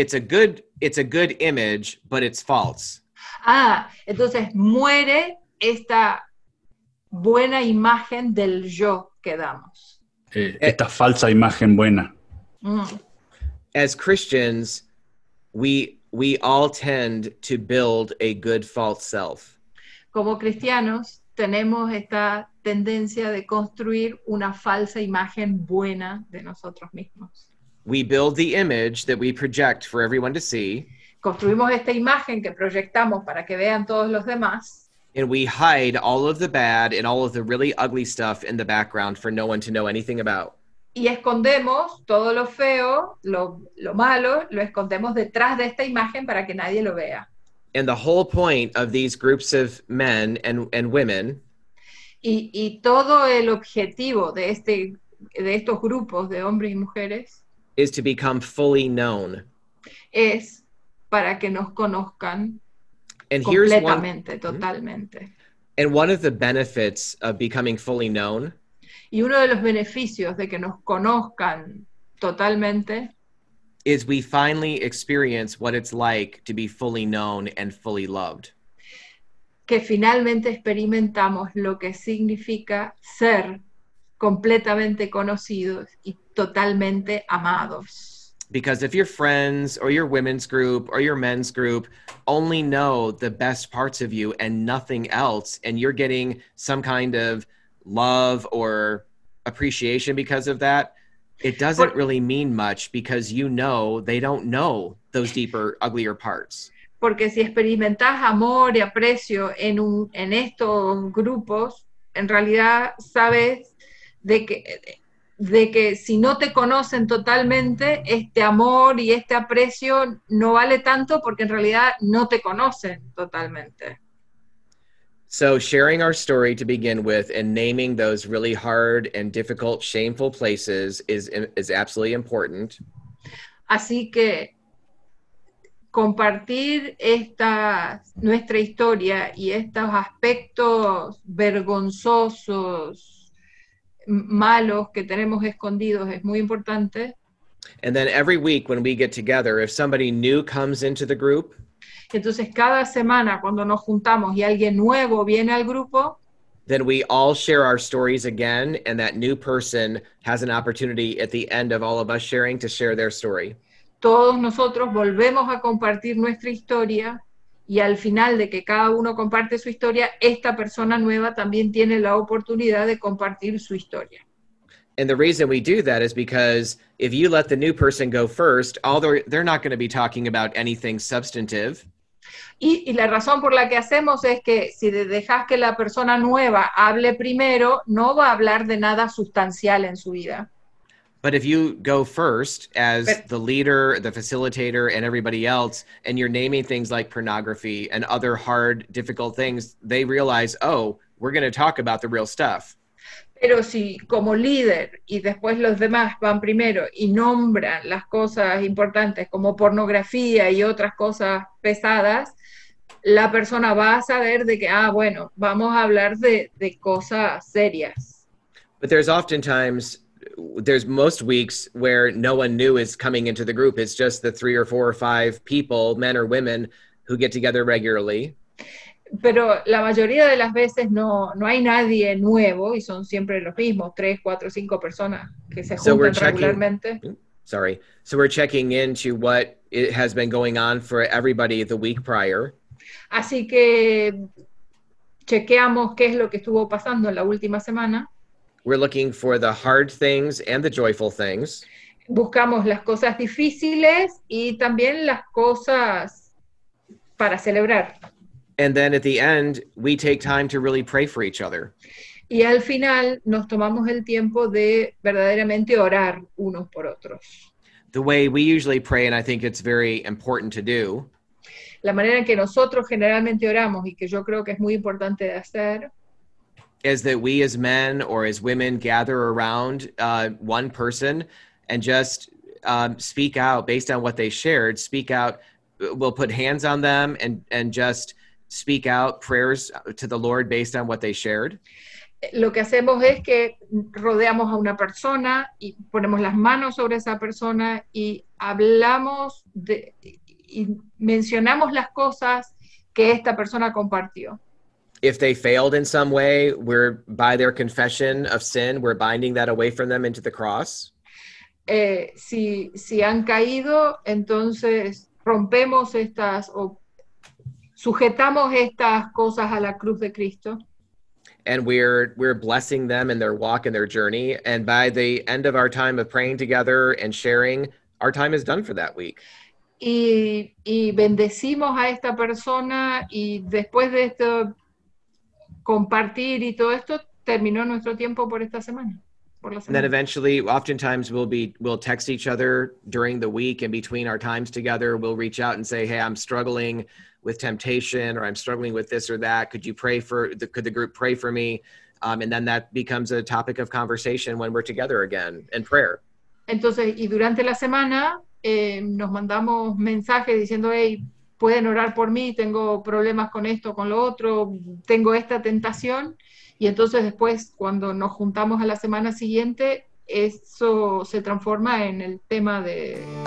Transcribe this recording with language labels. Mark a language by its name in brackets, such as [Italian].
[English] So it's a good image, but it's false. [Spanish] Ah, entonces muere esta buena imagen del yo que damos. Esta falsa imagen buena. [English] As Christians, we all tend to build a good false self. [Spanish] Como cristianos, tenemos esta tendencia de construir una falsa imagen buena de nosotros mismos. [English] We build the image that we project for everyone to see. [Spanish] Construimos esta imagen que proyectamos para que vean todos los demás. [English] And we hide all of the bad and all of the really ugly stuff in the background for no one to know anything about. [Spanish] Y escondemos todo lo feo, lo malo, lo escondemos detrás de esta imagen para que nadie lo vea. [English] And the whole point of these groups of men and women. [Spanish] Y todo el objetivo de estos grupos de hombres y mujeres. [English] Is to become fully known. [Spanish] Es para que nos conozcan completamente, totalmente. [English] And one of the benefits of becoming fully known. [Spanish] Y uno de los beneficios de que nos conozcan totalmente [English] is we finally experience what it's like to be fully known and fully loved. [Spanish] Que finalmente experimentamos lo que significa ser completamente conocidos y totalmente amados. [English] Because if your friends or your women's group or your men's group only know the best parts of you and nothing else, and you're getting some kind of love or appreciation because of that, it doesn't really mean much because you know they don't know those deeper, uglier parts. [Spanish] Porque si experimentas amor y aprecio en estos grupos, en realidad sabes de que de que si no te conocen totalmente, este amor y este aprecio no vale tanto porque en realidad no te conocen totalmente. [English] So sharing our story to begin with and naming those really hard and difficult, shameful places is absolutely important. [Spanish] Así que compartir esta nuestra historia y estos aspectos vergonzosos, malos que tenemos escondidos es muy importante. [English] And then every week when we get together, if somebody new comes into the group, [Spanish] entonces cada semana cuando nos juntamos y alguien nuevo viene al grupo, [English] then we all share our stories again, and that new person has an opportunity at the end of all of us sharing to share their story. [Spanish] Todos nosotros volvemos a compartir nuestra historia y al final de que cada uno comparte su historia, esta persona nueva también tiene la oportunidad de compartir su historia. [English] And the reason we do that is because if you let the new person go first, although they're not going to be talking about anything substantive. [Spanish] Y la razón por la que hacemos es que si dejas que la persona nueva hable primero, no va a hablar de nada sustancial en su vida. [English] But if you go first as the leader, the facilitator, and everybody else, and you're naming things like pornography and other hard, difficult things, they realize, oh, we're going to talk about the real stuff. [Spanish] Pero si como líder y después los demás van primero y nombran las cosas importantes como pornografía y otras cosas pesadas, la persona va a saber de que, ah, bueno, vamos a hablar de cosas serias. [English] But there's oftentimes, there's most weeks where no one new is coming into the group. It's just the 3 or 4 or 5 people, men or women, who get together regularly. [Spanish] Pero la mayoría de las veces no hay nadie nuevo y son siempre los mismos, 3, 4, 5 personas que se juntan regularmente. [English] So we're checking into what it has been going on for everybody the week prior. [Spanish] Así que chequeamos qué es lo que estuvo pasando en la última semana. [English] We're looking for the hard things and the joyful things. [Spanish] Buscamos las cosas difíciles y también las cosas para celebrar. [English] And then at the end, we take time to really pray for each other. [Spanish] Y al final, nos tomamos el tiempo de verdaderamente orar unos por otros. [English] The way we usually pray, and I think it's very important to do. [Spanish] La manera en que nosotros generalmente oramos, y que yo creo que es muy importante de hacer. [English] Is that we as men or as women gather around one person and just speak out, based on what they shared, speak out, we'll put hands on them and just speak out prayers to the Lord based on what they shared. [Spanish] Lo que hacemos es que rodeamos a una persona y ponemos las manos sobre esa persona y hablamos de y mencionamos las cosas que esta persona compartió. [English] If they failed in some way, we're by their confession of sin, we're binding that away from them into the cross. [Spanish] Si han caído, entonces rompemos estas o sujetamos estas cosas a la cruz de Cristo. [English] And we're blessing them in their walk and their journey. And by the end of our time of praying together and sharing, our time is done for that week. [Spanish] Y bendecimos a esta persona y después de esto compartir y todo esto terminó nuestro tiempo por esta semana. [English] And then eventually, oftentimes we'll text each other during the week and between our times together, we'll reach out and say, hey, I'm struggling with temptation or I'm struggling with this or that. Could the group pray for me? And then that becomes a topic of conversation when we're together again in prayer. [Spanish] Entonces, y durante la semana nos mandamos mensajes diciendo, hey, pueden orar por mí, tengo problemas con esto, con lo otro, tengo esta tentación. Y entonces después, cuando nos juntamos a la semana siguiente, eso se transforma en el tema de...